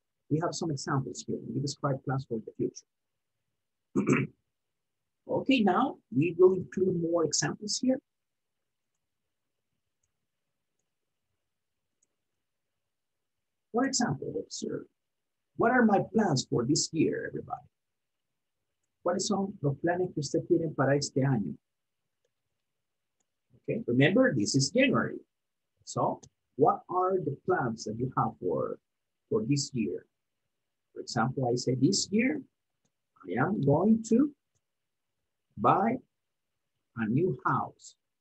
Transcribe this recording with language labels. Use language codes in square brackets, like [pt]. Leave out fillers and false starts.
[en] We have some examples here when you describe plans for the future. Okay, now we will include more examples here. For example, observe. What are my plans for this year, everybody? [es] ¿Cuáles son los planes que usted tiene para este año? [en] Okay, remember, this is January. So, what are the plans that you have for this year? For example, I say this year, I am going to buy a new house.